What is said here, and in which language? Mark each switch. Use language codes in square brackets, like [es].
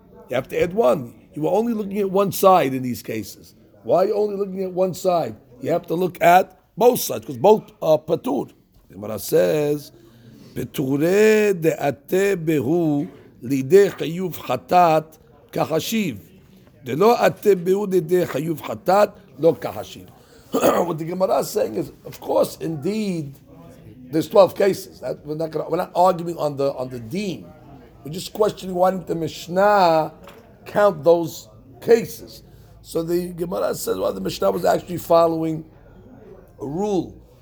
[en] You have to add one. You were only looking at one side in these cases. Why are you only looking at one side? You have to look at both sides, because both are patur. Gemara says, [arc] Peture de ate behu, לידי חיוב חטאת כחשיב. דלא אתם בהו לידי חיוב חטאת, לא כחשיב. [en] What the Gemara is saying is, of course, indeed, there's 12 cases. We're not arguing on the deen. We're just questioning why didn't the Mishnah count those cases. So the Gemara says, well, the Mishnah was actually following a rule.